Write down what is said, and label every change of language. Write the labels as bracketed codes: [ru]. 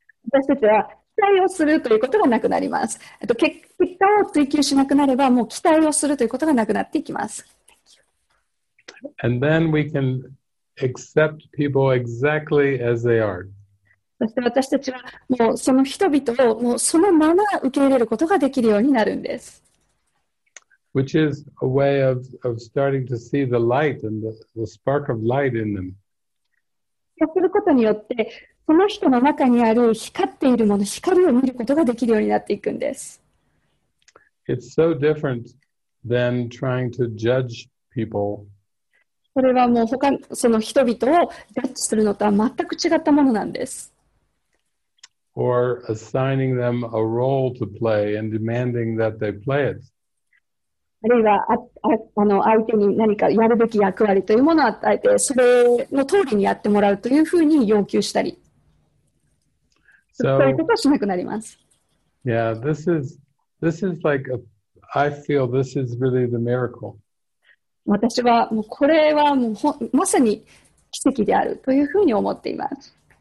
[ja] 私たちは期待をするということがなくなります。結果を追求しなくなれば、もう期待をするということがなくなっていきます。 [en] And then we can accept people exactly as they are. [ja] そして私たちはもうその人々をもうそのまま受け入れることができるようになるんです。 [en] Which is a way of starting to see the light and the spark of light in them. [ja] そうすることによって、その人の中にある光っているもの、光を見ることができるようになっていくんです。 [en] It's so different than trying to judge people. [ja] それはもう他その人々をジャッジするのとは全く違ったものなんです。 [en] Or assigning them a role to play and demanding that they play it. [ja] あるいは相手に何かやるべき役割というものを与えて、それの通りにやってもらうというふうに要求したり、 [en] so, [ja] そういうことはしなくなります。 [en] Yeah, this is like a, I feel this is really the miracle. [ja] 私はもうこれはもうまさに奇跡であるというふうに思っています。